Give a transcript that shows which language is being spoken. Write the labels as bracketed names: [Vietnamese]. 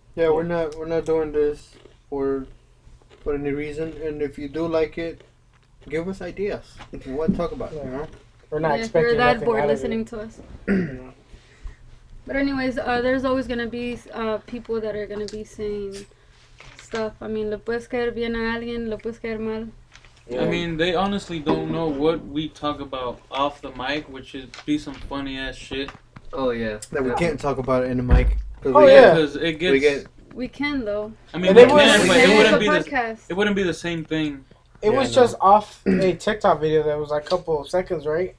[English] Yeah, we're not doing this for any reason. And if you do like it, give us ideas. What talk about? Yeah. You know, we're not expecting. You're that bored listening to us. But anyways, there's always going to be people that are going to be saying stuff. I mean, [Spanish] le puedes caer bien a alguien, le puedes caer mal. [English] Yeah. I mean, they honestly don't know what we talk about off the mic, which is be some funny ass shit. Oh, yeah. That we can't talk about it in the mic. We can, though. I mean, it wouldn't be the same thing. It was just off a TikTok video that was like a couple of seconds, right?